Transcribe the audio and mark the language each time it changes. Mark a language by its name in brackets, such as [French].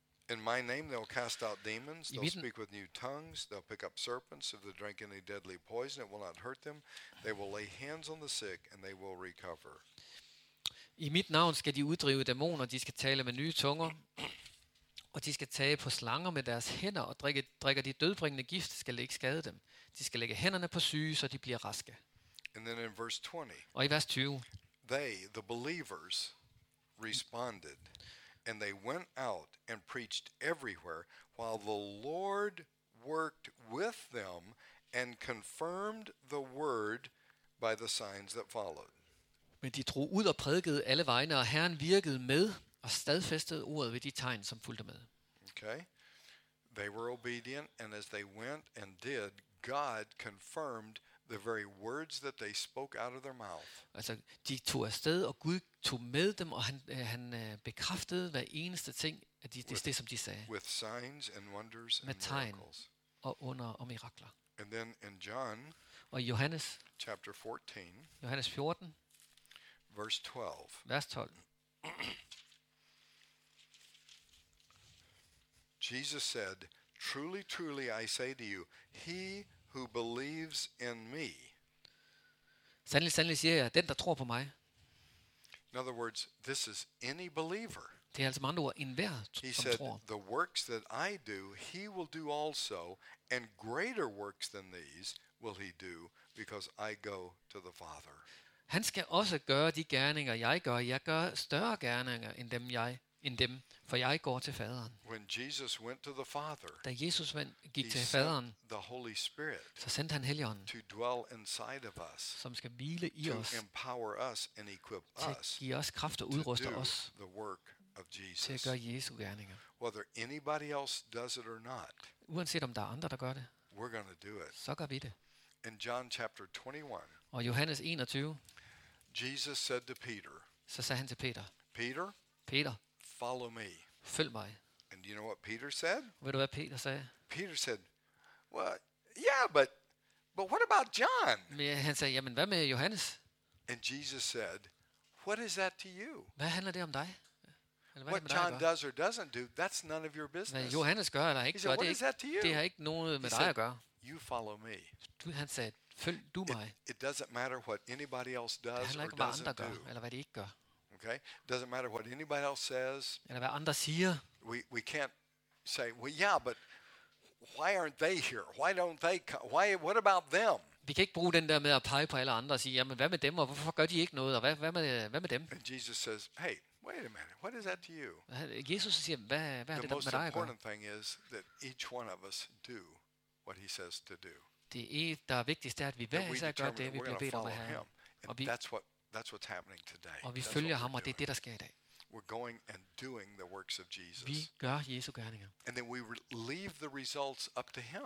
[English] In my name they'll cast out demons, they'll speak with new tongues, they'll pick up serpents, if they drink any deadly poison it will not hurt them. They will lay hands on the sick and they will recover. [Danish] I mit navn skal de uddrive dæmoner, de skal tale med nye tunger. Og de skal tage på slanger med deres hænder, og drikker de dødbringende gift, skal det ikke skade dem. De skal lægge hænderne på syge, så de bliver raske. [English] And then in verse 20, [Danish] og i vers 20, [English] they, the believers, responded, and they went out and preached everywhere, while the Lord worked with them and confirmed the word by the signs that followed. [Danish] Men de drog ud og prædikede alle vegne, og Herren virkede med og stadfæstede ordet ved de tegn, som fulgte med. [English] Okay. They were obedient, and as they went and did, God confirmed the very words that they spoke out of their mouth. [Danish] Altså, de tog afsted, og Gud tog med dem, og han bekræftede hver eneste ting, at det som de sagde. [English] With signs and wonders and miracles. [Danish] Med tegn [English] miracles. [Danish] Og under og mirakler. [English] And then in John, [Danish] og Johannes, [English] chapter 14, [Danish] Johannes 14, [English] verse 12, [Danish] vers 12, [English] Jesus said, "Truly, truly, I say to you, he who believes in me." [Danish] Sandelig, sandelig siger jeg, den der tror på mig. [English] In other words, this is any believer. [Danish] Det er altså med andre ord, enhver, som tror. [English] He said, "The works that I do, he will do also, and greater works than these will he do, because I go to the Father." [Danish] Han skal også gøre de gerninger, jeg gør. Jeg gør større gerninger end dem jeg. In dem, for jeg går til faderen. [English] When Jesus went to the Father, [Danish] da Jesus gik til faderen, [English] the Holy Spirit, [Danish] så sendte han Helligånden, [English] to dwell inside of us, [Danish] som skal hvile i [English] to [Danish] os, [English] empower us and equip us, [Danish] til at give os kraft og udruste os, [English] the work of Jesus, [Danish] til at gøre Jesu gerninger. [English] Whether anybody else does it or not, [Danish] uanset om der er andre, der gør det, [English] we're gonna do it. [Danish] Så gør vi det. [English] In John chapter 21, [Danish] og Johannes 21, [English] Jesus said to Peter, [Danish] så sagde han til Peter, [English] Peter, [Danish] Peter, [English] follow me. [Danish] Følg mig. [English] And you know what Peter said? [Danish] Ved du hvad Peter sagde? [English] Peter said, "Well, yeah, but what about John?" [Danish] Men han sagde, jamen hvad med Johannes? [English] And Jesus said, "What is that to you?" [Danish] Hvad handler det om dig? Eller [English] what John does or doesn't do, that's none of your business. [Danish] Hvad Johannes gør eller ikke, [English] what is that to you? [Danish] Det har ikke noget med dig at gøre. [English] You follow me. [Danish] Han sagde, følg du mig. [English] It doesn't matter what anybody else does or doesn't do. [Danish] Det handler ikke om andre gør eller hvad de ikke gør. [English] Okay? Doesn't matter what anybody else says. [Danish] Eller hvad andre siger. [English] We can't say, "Well, yeah, but why aren't they here? Why don't they come? Why, what about them?" [Danish] Vi kan ikke bruge den der med at pege på alle andre og sige, "Jamen, hvad med dem? Og hvorfor gør de ikke noget? Og hvad med dem?" [English] And Jesus says, "Hey, wait a minute. What is that to you?" [Danish] Jesus siger, "Hvad er det der med dig?" [English] The most important thing is that each one of us do what he says to do. [Danish] Det der er vigtigst, at vi hver især gør det, vi bliver bedt om at have. [English] That's what's happening today. [Danish] Og vi følger ham, og det er det, der sker i dag. [English] We're going and doing the works of Jesus. [Danish] Vi gør Jesu gerninger. [English] And then we leave the results up to him.